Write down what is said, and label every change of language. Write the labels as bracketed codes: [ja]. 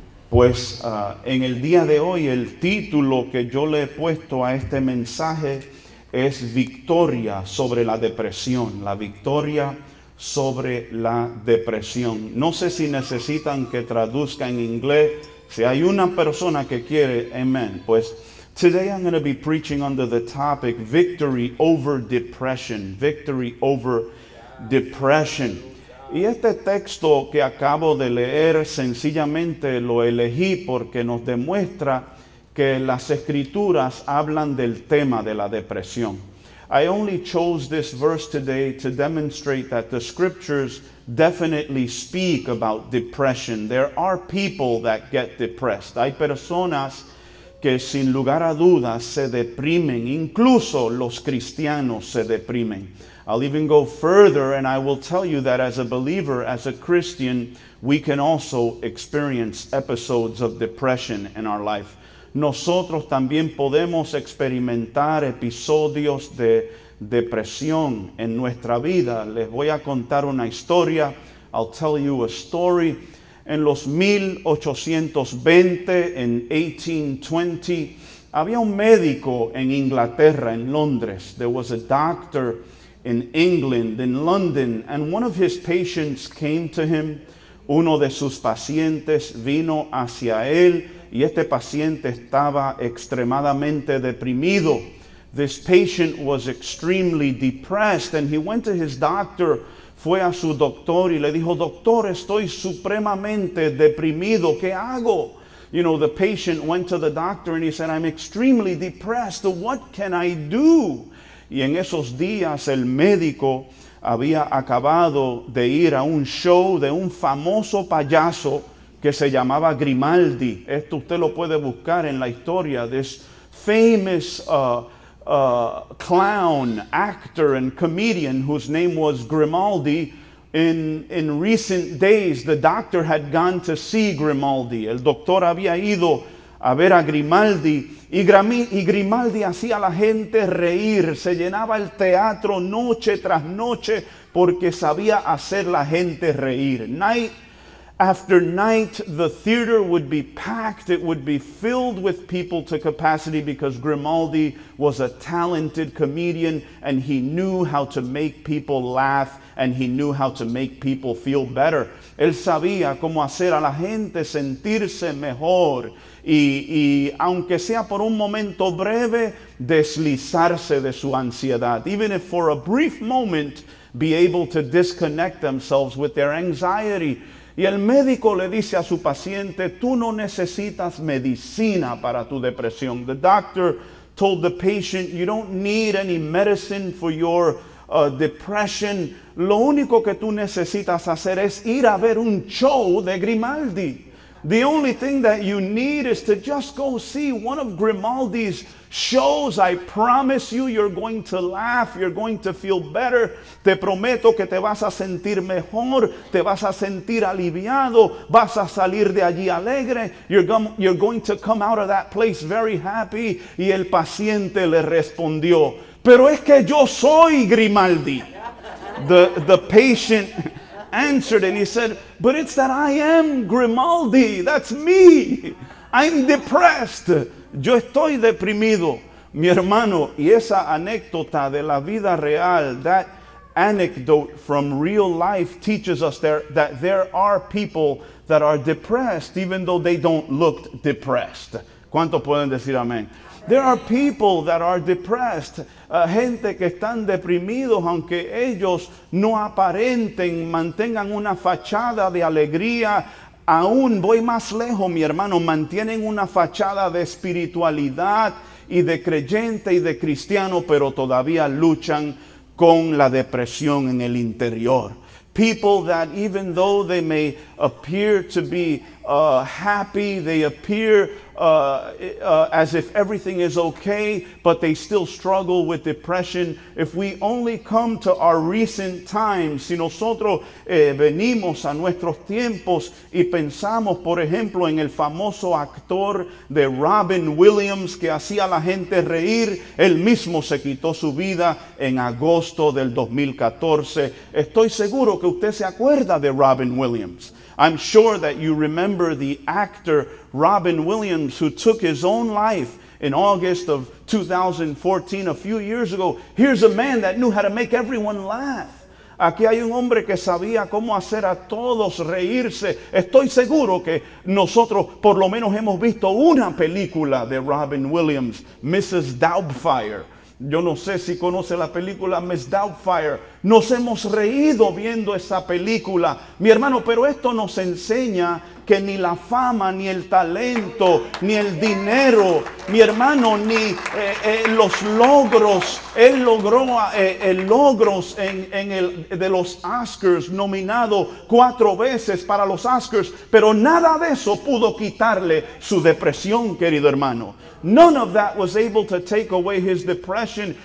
[es] Pues en el día de hoy el título que yo le he puesto a este mensaje es Victoria sobre la depresión. La victoria sobre la depresión. No sé si necesitan que traduzca en inglés. Si hay una persona que quiere, amén. [en] Pues today I'm going to be preaching under the topic Victory over Depression. Victory over Depression. [es] Y este texto que acabo de leer sencillamente lo elegí porque nos demuestra que las escrituras hablan del tema de la depresión. [en] I only chose this verse today to demonstrate that the scriptures definitely speak about depression. There are people that get depressed. [es] Hay personas que sin lugar a dudas se deprimen, incluso los cristianos se deprimen. [en] I'll even go further and I will tell you that as a believer, as a Christian, we can also experience episodes of depression in our life. [es] Nosotros también podemos experimentar episodios de depresión en nuestra vida. Les voy a contar una historia. [en] I'll tell you a story. [es] En los 1820, en 1820, había un médico en Inglaterra, en Londres. [en] There was a doctor in England, in London, and one of his patients came to him. [es] Uno de sus pacientes vino hacia él, y este paciente estaba extremadamente deprimido. [en] This patient was extremely depressed, and he went to his doctor. [es] Fue a su doctor y le dijo, doctor, estoy supremamente deprimido, ¿qué hago? [en] You know, the patient went to the doctor and he said, I'm extremely depressed, what can I do? [es] Y en esos días el médico había acabado de ir a un show de un famoso payaso que se llamaba Grimaldi. Esto usted lo puede buscar en la historia. [en] This famous clown, actor and comedian whose name was Grimaldi. In recent days, the doctor had gone to see Grimaldi. [es] El doctor había ido a ver a Grimaldi. Y Grimaldi hacía a la gente reír. Se llenaba el teatro noche tras noche porque sabía hacer la gente reír. [en] Night after night, the theater would be packed. It would be filled with people to capacity because Grimaldi was a talented comedian and he knew how to make people laugh and he knew how to make people feel better. [es] Él sabía cómo hacer a la gente sentirse mejor y aunque sea por un momento breve, deslizarse de su ansiedad. [en] Even if for a brief moment, be able to disconnect themselves with their anxiety. [es] Y el médico le dice a su paciente, tú no necesitas medicina para tu depresión. [en] The doctor told the patient, you don't need any medicine for your depression. [es] Lo único que tú necesitas hacer es ir a ver un show de Grimaldi. [en] The only thing that you need is to just go see one of Grimaldi's shows. I promise you, you're going to laugh. You're going to feel better. [es] Te prometo que te vas a sentir mejor. Te vas a sentir aliviado. Vas a salir de allí alegre. [en] You're going to come out of that place very happy. [es] Y el paciente le respondió, pero es que yo soy Grimaldi. [en] The patient answered and he said, but it's that I am Grimaldi. That's me. I'm depressed. [es] Yo estoy deprimido. Mi hermano, y esa anécdota de la vida real, [en] that anecdote from real life teaches us that there are people that are depressed even though they don't look depressed. [es] ¿Cuánto pueden decir amén? [en] There are people that are depressed, [es] gente que están deprimidos, aunque ellos no aparenten, mantengan una fachada de alegría, aún voy más lejos, mi hermano, mantienen una fachada de espiritualidad y de creyente y de cristiano, pero todavía luchan con la depresión en el interior. [en] People that even though they may appear to be happy, they appear as if everything is okay, but they still struggle with depression. If we only come to our recent times, [es] si nosotros venimos a nuestros tiempos y pensamos, por ejemplo, en el famoso actor de Robin Williams que hacía a la gente reír, él mismo se quitó su vida en agosto del 2014. Estoy seguro que usted se acuerda de Robin Williams. [en] I'm sure that you remember the actor Robin Williams who took his own life in August of 2014, a few years ago. Here's a man that knew how to make everyone laugh. [es] Aquí hay un hombre que sabía cómo hacer a todos reírse. Estoy seguro que nosotros por lo menos hemos visto una película de Robin Williams, Mrs. Doubtfire. Yo no sé si conoce la película Miss Doubtfire. Nos hemos reído viendo esa película. Mi hermano, pero esto nos enseña que ni la fama, ni el talento, ni el dinero, mi hermano, ni los logros. Él logró logros de los Oscars, nominado 4 veces para los Oscars. Pero nada de eso pudo quitarle su depresión, querido hermano. [en] None of that was able to take away his depression.